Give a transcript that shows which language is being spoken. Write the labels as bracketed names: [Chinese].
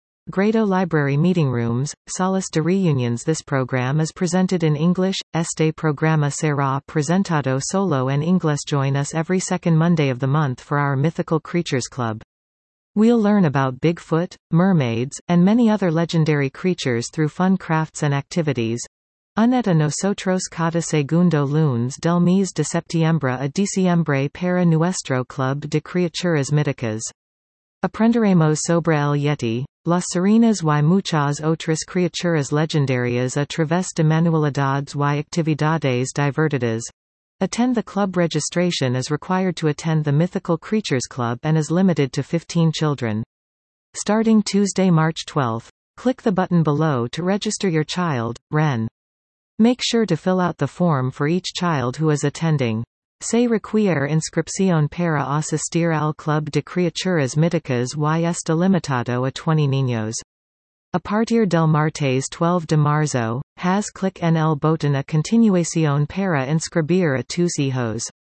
[English] Grado Library Meeting Rooms, [Spanish] Salas de Reuniones. [English] This program is presented in English. [Spanish] Este programa será presentado solo en inglés. [English] Join us every second Monday of the month for our Mythical Creatures Club. We'll learn about Bigfoot, mermaids, and many other legendary creatures through fun crafts and activities. [Spanish] Uneta nosotros cada segundo lunes del mes de septiembre a diciembre para nuestro club de criaturas míticas. Aprenderemos sobre el yeti, las sirenas y muchas otras criaturas legendarias a través de manualidades y actividades divertidas. [English] Attend the club. Registration is required to attend the Mythical Creatures Club and is limited to 15 children. Starting Tuesday, March 12, click the button below to register your child, Ren. Make sure to fill out the form for each child who is attending. [Spanish] Se requiere inscripción para asistir al Club de Criaturas Míticas y está limitado a 20 niños. A partir del martes 12 de marzo, has click en el botón a continuación para inscribir a tus hijos.